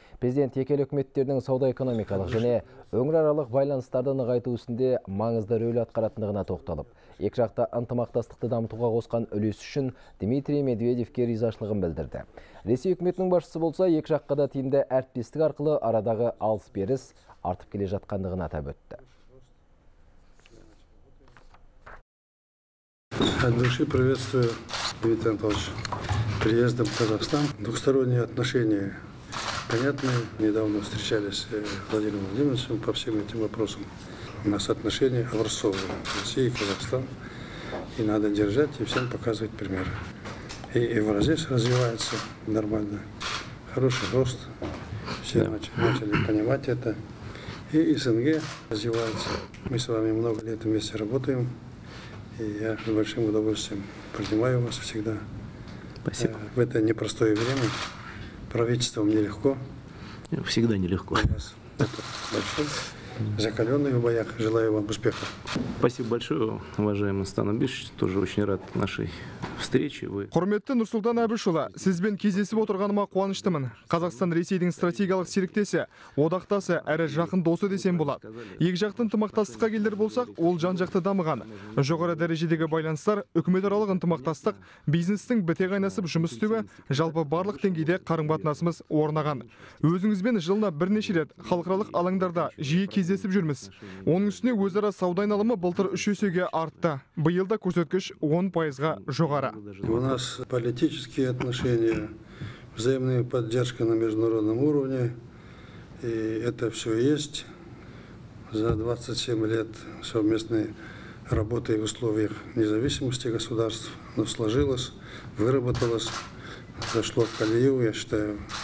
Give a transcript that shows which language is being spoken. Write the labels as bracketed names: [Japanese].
[Kazakh] Президент екі ел үкіметтерінің сауда-экономикалық және өңіраралық байланыстарды нығайту ісінде маңызды рөл атқаратындығына тоқталып, екіжақты ынтымақтастықты дамытуға қосқан үлесі үшін Дмитрий Медведевке ризашылығын білдірді. Ресей үкіметінің басшысы болса, екі жаққа да тиімді әріптестік арқылы арадағы алыс-беріс артып келе жатқандығын атап өтті. [Russian] От души приветствую Дмитрий Анатольевич приездом в Казахстан. Двусторонние отношения понятны. Недавно встречались с Владимиром Владимировичем по всем этим вопросам. У нас отношения образцовые. Россия и Казахстан. И надо держать, и всем показывать пример. И Евразия развивается нормально. Хороший рост. Все начали понимать это. И СНГ развивается. Мы с вами много лет вместе работаем. И я с большим удовольствием принимаю вас всегда. Спасибо. В это непростое время правительством нелегко. Всегда нелегко. У вас это большое. Закаленный в боях. Желаю вам успехов. Спасибо большое, уважаемый Нурсултан Абишевич. Тоже очень рад нашей встрече. [Kazakh] Құрметті Нұрсұлтан Абишұлы, сізбен кездесіп отырғаныма қуаныштымын. Қазақстан Ресейдің стратегиялық серіктесі, одақтасы, әрі жақын досы десем болады. Екі жақтың ынтымақтастыққа келер болсақ, ол жан-жақты дамыған. Жоғары дәрежедегі байланыстар, үкіметаралық ынтымақтастық, бизнестің біте қайнасып жұмыс істеуі, жалпы барлық деңгейде қарым-қатынасымыз орнаған. Өзіңізбен жылына бірнеше рет халықаралық алаңдарда жиі кездесіп жүрміз. Оның үстіне өзара сауда айналымы былтыр 3 есеге артты. Биыл да көрсеткіш 10%-ға жоғары. [Russian] У нас политические отношения, взаимная поддержка на международном уровне. И это все есть. За 27 лет совместной работы в условиях независимости государств. Но сложилось, выработалось, зашло в колею, я считаю.